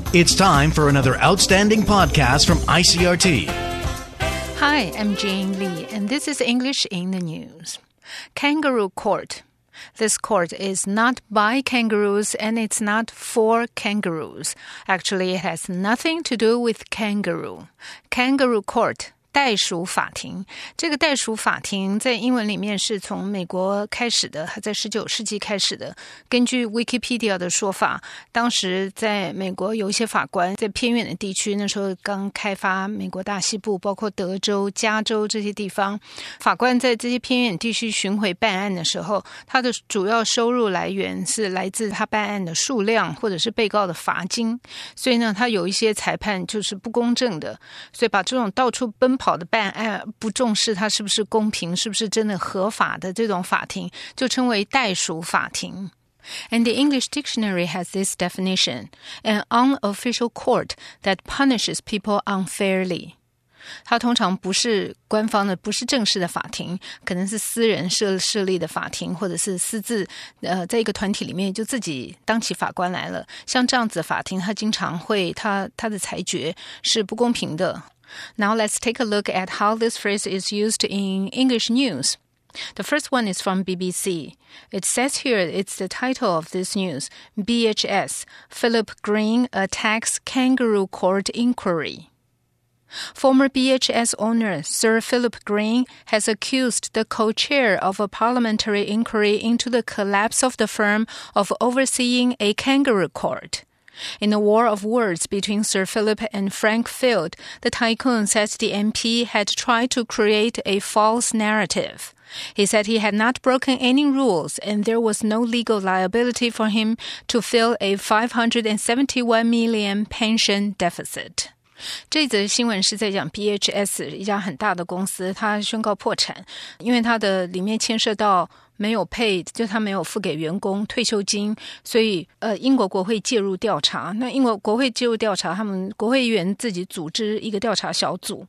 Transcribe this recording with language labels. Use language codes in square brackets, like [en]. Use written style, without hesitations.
[en] It's time for another outstanding podcast from ICRT. Hi, I'm Jane Lee, and this is English in the News. Kangaroo Court. This court is not by kangaroos, and it's not for kangaroos. Actually, it has nothing to do with kangaroo. Kangaroo Court. [zh] 袋鼠法庭，这个袋鼠法庭在英文里面是从美国开始的，在19世纪开始的。根据 Wikipedia 的说法，当时在美国有一些法官在偏远的地区，那时候刚开发美国大西部，包括德州、加州这些地方，法官在这些偏远地区巡回办案的时候，他的主要收入来源是来自他办案的数量或者是被告的罚金，所以呢，他有一些裁判就是不公正的，所以把这种到处奔跑的办案不重视它是不是公平，是不是真的合法的这种法庭，就称为袋鼠法庭。 [en] And the English dictionary has this definition: an unofficial court that punishes people unfairly. [zh] 它通常不是官方的，不是正式的法庭，可能是私人设立的法庭，或者是私自在一个团体里面就自己当起法官来了。像这样子的法庭，它经常会它的裁决是不公平的。 [en] Now let's take a look at how this phrase is used in English news. The first one is from BBC. It says here it's the title of this news, BHS, Philip Green Attacks Kangaroo Court Inquiry. Former BHS owner Sir Philip Green has accused the co-chair of a parliamentary inquiry into the collapse of the firm of overseeing a kangaroo court. In a war of words between Sir Philip and Frank Field, the tycoon says the MP had tried to create a false narrative. He said he had not broken any rules and there was no legal liability for him to fill a $571 million pension deficit. [zh] 这则新闻是在讲 BHS 一家很大的公司，它宣告破产，因为它的里面牵涉到没有 pay， 就它没有付给员工退休金，所以英国国会介入调查。那英国国会介入调查，他们国会议员自己组织一个调查小组。